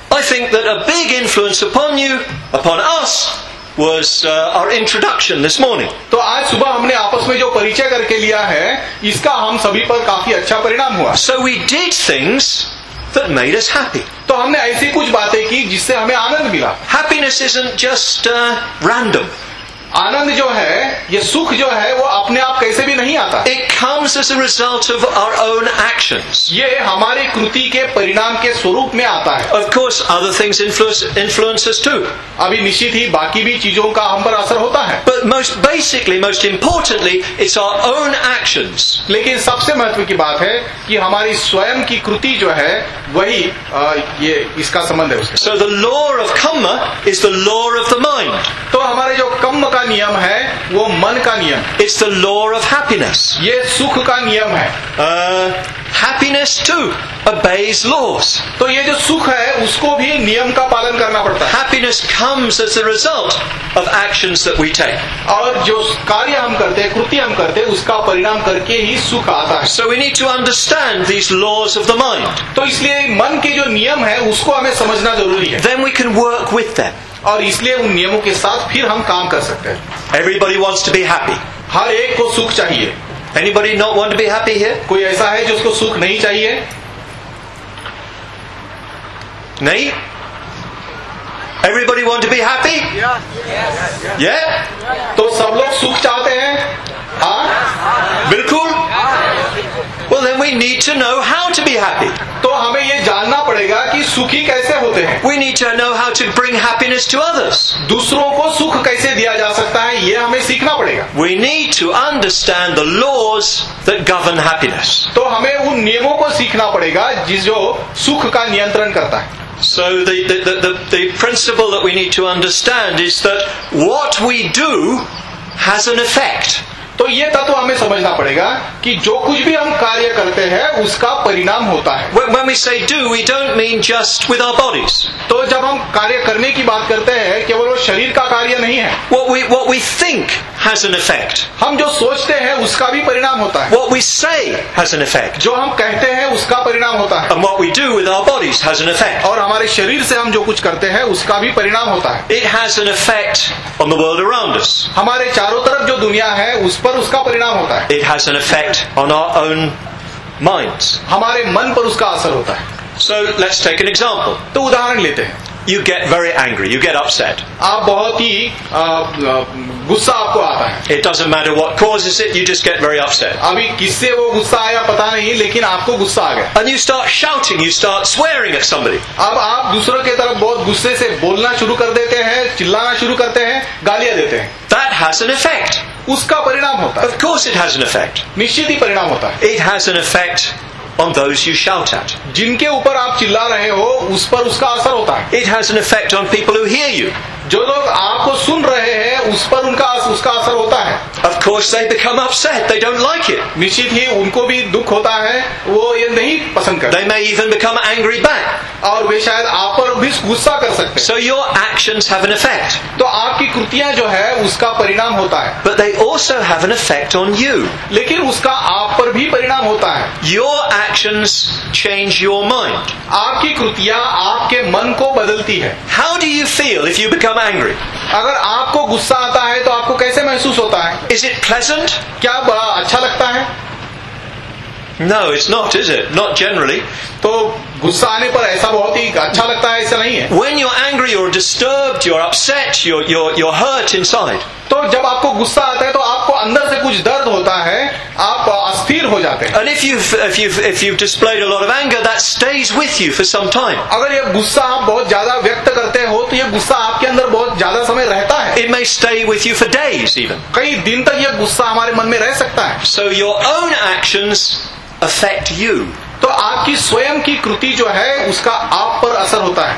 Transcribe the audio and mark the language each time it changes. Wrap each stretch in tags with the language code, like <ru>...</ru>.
<en>I think that a big influence upon you, upon us, was our introduction this morning.</en> <hi>तो आज सुबह हमने आपस में जो परिचय करके लिया है इसका हम सभी पर काफी अच्छा परिणाम हुआ.</hi> <en>So we did things that made us happy.</en> <hi>तो हमने ऐसी कुछ बातें की जिससे हमें आनंद मिला.</hi> <en>Happiness isn't just random.</en> <hi>आनंद जो है ये सुख जो है वो अपने आप कैसे भी नहीं आता</hi> <en>It comes as a result of our own actions.</en> <hi>ये हमारी कृति के परिणाम के स्वरूप में आता है</hi> <en>Of course, other things influence us too.</en> <hi>अभी निश्चित ही बाकी भी चीजों का हम पर असर होता है</hi> <en>But most basically, most importantly, it's our own actions.</en> <hi>लेकिन सबसे महत्व की बात है कि हमारी स्वयं की कृति जो है वही ये इसका संबंध है</hi> <en>So the law of karma is the law of the mind.</en> <hi>तो हमारे जो कम का नियम है वो मन का नियम</hi> <en>it's the law of happiness</en> <hi>ये सुख का नियम है</hi> <en>happiness too obeys laws</en> <hi>तो ये जो सुख है उसको भी नियम का पालन करना पड़ता है</hi> <en>happiness comes as a result of actions that we take</en> <hi>और जो कार्य हम करते हैं कृति हम करते हैं उसका परिणाम करके ही सुख आता है</hi> <en>so we need to understand these laws of the mind</en> <hi>तो इसलिए मन के जो नियम है उसको हमें समझना जरूरी है</hi> <en>then we can work with them</en> <hi>और इसलिए उन नियमों के साथ फिर हम काम कर सकते हैं</hi> <en>everybody wants to be happy</en> <hi>हर एक को सुख चाहिए</hi> <en>Anybody not want to be happy here?</en> <hi>कोई ऐसा है जिसको सुख नहीं चाहिए? नहीं?</hi> <en>Everybody want to be happy? Yeah?</en> <hi>तो सब लोग सुख चाहते हैं? हाँ? बिल्कुल?</hi> <en>Well then we need to know how to be happy.</en> <hi>तो हमें ये जानना पड़ेगा कि सुखी कैसे होते हैं?</hi> <en>We need to know how to bring happiness to others.</en> <hi>दूसरों को सुख कैसे दिया जा सकता है? ये हमें सीखना पड़ेगा.</hi> <en>We need to understand the laws that govern happiness.</en> <hi>तो हमें उन नियमों को सीखना पड़ेगा जो सुख का नियंत्रण करता है.</hi> <en>So the principle that we need to understand is that what we do has an effect.</en> <hi>तो ये तत्व हमें समझना पड़ेगा कि जो कुछ भी हम कार्य करते हैं उसका परिणाम होता है</hi> <en>When we say do, we don't mean just with our bodies.</en> <hi>तो जब हम कार्य करने की बात करते हैं केवल वो शरीर का कार्य नहीं है</hi> <en>What we think has an effect.</en> <hi>हम जो सोचते हैं उसका भी परिणाम होता है</hi> <en>What we say has an effect.</en> <hi>जो हम कहते हैं उसका परिणाम होता है</hi> <en>And what we do with our bodies has an effect.</en> <hi>और हमारे शरीर से हम जो कुछ करते हैं उसका भी परिणाम होता है</hi> <en>It has an effect on the world around us.</en> <hi>हमारे चारों तरफ जो दुनिया है उस पर उसका परिणाम होता है</hi> <en>It has an effect on our own minds.</en> <hi>हमारे मन पर उसका असर होता है</hi> <en>So let's take an example.</en> <hi>तो उदाहरण लेते हैं</hi> <en>You get very angry. You get upset.</en> <hi>आप बहुत ही गुस्सा आपको आता है.</hi> <en>It doesn't matter what causes it. You just get very upset.</en> <hi>अभी किससे वो गुस्सा आया पता नहीं लेकिन आपको गुस्सा आ गया.</hi> <en>And you start shouting. You start swearing at somebody.</en> <hi>अब आप दूसरों के तरफ बहुत गुस्से से बोलना शुरू कर देते हैं, चिल्लाना शुरू करते हैं, गालियाँ देते हैं.</hi> <en>That has an effect.</en> <hi>उसका परिणाम होता है.</hi> <en>Of course, it has an effect.</en> <hi>निश्चित ही परिणाम होता है.</hi> <en>It has an effect. On those you shout at.</en> <hi>जिनके ऊपर आप चिल्ला रहे हो उस पर उसका असर होता है</hi> <en>It has an effect on people who hear you.</en> <hi>जो लोग आपको सुन रहे हैं उस पर उसका असर होता है</hi> <en>Of course they become upset. They don't like it.</en> <hi>निश्चित ही उनको भी दुख होता है वो ये नहीं पसंद करते</hi> <en>They may even become angry back.</en> <hi>और वे शायद आप पर भी गुस्सा कर सकते हैं</hi> <en>So your actions have an effect.</en> <hi>तो आपकी कृतियां जो है उसका परिणाम होता है</hi> <en>But they also have an effect on you.</en> <hi>लेकिन उसका आप पर भी परिणाम होता है</hi> <en>Your actions change your mind.</en> <hi>आपकी कृतियां आपके मन को बदलती है</hi> <en>How do you feel if you become angry?</en> <hi>अगर आपको गुस्सा आता है तो आपको कैसे महसूस होता है</hi> <en>Is it pleasant?</en> <hi>क्या बड़ा अच्छा लगता है</hi> <en>No, it's not, is it? Not generally.</en> <hi>तो गुस्सा आने पर ऐसा बहुत ही अच्छा लगता है ऐसा नहीं है</hi> <en>When you're angry, you're disturbed, you're upset, you're hurt inside.</en> <hi>तो जब आपको गुस्सा आता है तो आपको अंदर से कुछ दर्द होता है आप अस्थिर हो जाते हैं</hi> <en>And if you've displayed a lot of anger, that stays with you for some time.</en> <hi>अगर ये गुस्सा आप बहुत ज्यादा व्यक्त करते हो तो ये गुस्सा आपके अंदर बहुत ज्यादा समय रहता है</hi> <en>It may stay with you for days even.</en> <hi>कई दिन तक ये गुस्सा हमारे मन में रह सकता है</hi> <en>So your own actions affect you.</en> <hi>तो आपकी स्वयं की कृति जो है उसका आप पर असर होता है</hi>